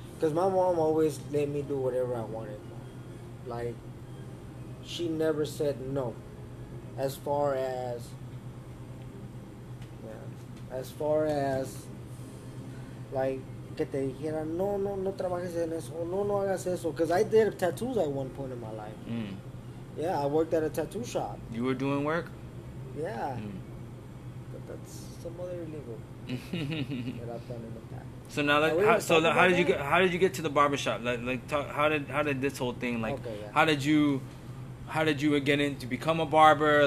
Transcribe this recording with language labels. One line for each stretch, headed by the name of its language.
English: Because my mom always let me do whatever I wanted. Like, she never said no. As far as, like,
Spanish: que te dijera, no trabajes en eso. No hagas eso.
English: Because I did tattoos at one point in my life. Yeah, I worked at a tattoo shop. You were doing work? Yeah. That's some other illegal that I've done in the past. So now, like, how did you get to the barbershop? How did this whole thing, like, how did you get in to become a barber?